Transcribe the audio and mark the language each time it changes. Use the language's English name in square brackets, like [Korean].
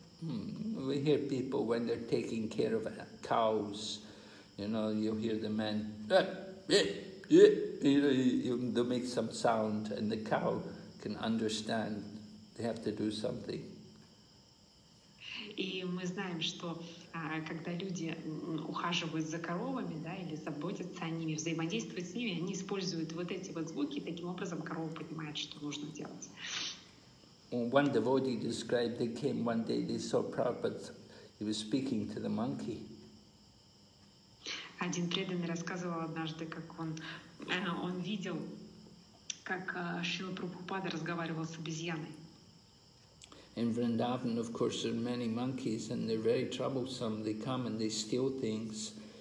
[English] We hear people when they're taking care of cows, you know, you'll hear the man, they'll make some sound, and the cow can understand they have to do something. [Russian] И мы знаем, что когда люди ухаживают за коровами, да, или заботятся о ними, взаимодействуют с ними, они используют вот эти вот звуки, и таким образом корова понимает, что нужно делать. [English] One devotee described, they came one day, they saw Prabhupada, he was speaking to the monkey. [Russian] Один преданный рассказывал однажды, как он видел, как Шрила Прабхупада разговаривал с обезьяной. [English] In Vrindavan, of course, there are many monkeys, and they're very troublesome. They come and they steal things.